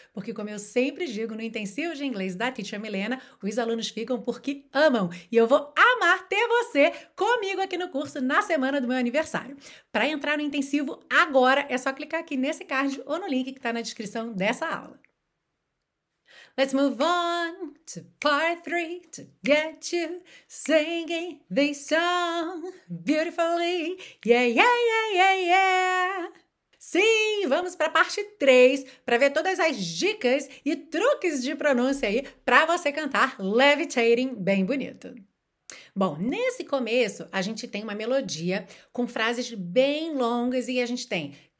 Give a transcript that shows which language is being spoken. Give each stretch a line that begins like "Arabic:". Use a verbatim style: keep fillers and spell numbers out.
Portuguese: Porque como eu sempre digo no Intensivo de Inglês da Teacher Milena, os alunos ficam porque amam. E eu vou amar ter você comigo aqui no curso na semana do meu aniversário. Para entrar no Intensivo agora, é só clicar aqui nesse card ou no link que está na descrição dessa aula.
English: Let's move on to part three to get you singing this song beautifully. Yeah, yeah, yeah, yeah, yeah.
Portuguese: Sim, vamos para a parte três, para ver todas as dicas e truques de pronúncia aí para você cantar Levitating bem bonito. Bom, nesse começo, a gente tem uma melodia com frases bem longas e a gente tem...